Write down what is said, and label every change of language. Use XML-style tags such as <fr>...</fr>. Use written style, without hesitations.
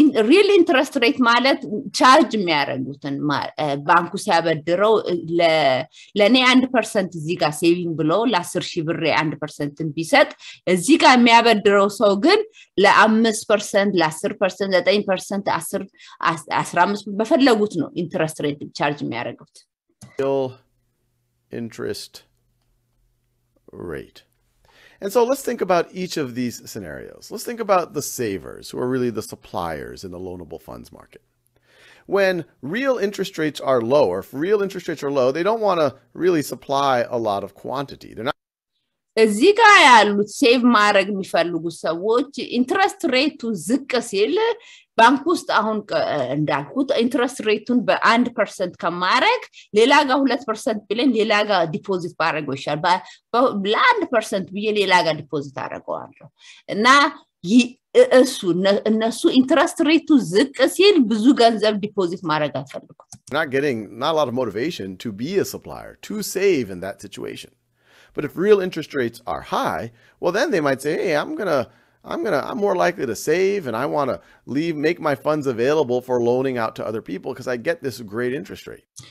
<am>Real interest rate ማለት charge የሚያደርጉትን ባንኩ ሲያበድረው ለኔ 1% እዚህ ጋር saving ብሎ ለ10000 ብር 1%ን ቢሰጥ እዚህ ጋር የሚያበድረው ሰው ግን ለ5% ለ10% 9% 10 15 በፈለጉት ነው interest rate charge የሚያደርጉት</am> <en>real interest rate And so let's think about each of these scenarios. Let's think about the savers, who are really the suppliers in the loanable funds market. When real interest rates are low, or if real interest rates are low, they don't want to really supply a lot of quantity. They're not</en> <am>እዚህ ጋር ያሉት ሴቭ ማድረግ የሚፈልጉ ሰዎች ኢንትረስት ሬቱ ዝቅ ሲል ባንክ ውስጥ አሁን እንዳልኩት ኢንትረስት ሬቱን በአንድ ፐርሰንት ከማድረግ ሌላ ጋር 2% ብለን ሌላ ጋር ዲፖዚት ባደረገው ይሻል ለአንድ ፐርሰንት ብዬ ሌላ ጋር ዲፖዚት አደረገዋለሁ እና እሱ እነሱ ኢንትረስት ሬቱ ዝቅ ሲል ብዙ ገንዘብ ዲፖዚት ማድረግ አይፈልጉም</am> <en>Not getting not a lot of motivation to be a supplier, to save in that situation. But if real interest rates are high, well then they might say, "Hey, I'm more likely to save and I want to leave make my funds available for loaning out to other people because I get this great interest rate."</en>